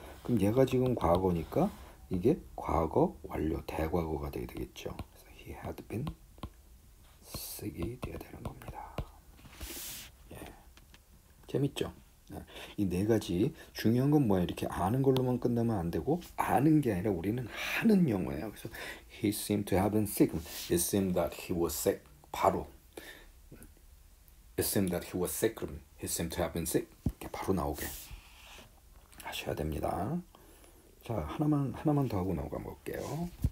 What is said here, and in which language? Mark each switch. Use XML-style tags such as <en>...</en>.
<ko>그럼 얘가 지금 과거니까 이게 과거 완료 대과거가 되게 되겠죠. 그래서 he had been 쓰기 돼야 되는 겁니다. 재밌죠? 이네 가지 중요한 건 뭐야? 이렇게 아는 걸로만 끝나면 안 되고 아는 게 아니라 우리는 하는 영어예요.</ko> <en>그래서 he seemed to have been sick. It seemed that he was sick. 바로 it seemed that he was sick. 그럼 he seemed to have been sick.</en> <ko>이렇게 바로 나오게 하셔야 됩니다. 자, 하나만 더 하고 넘어가 볼게요.</ko>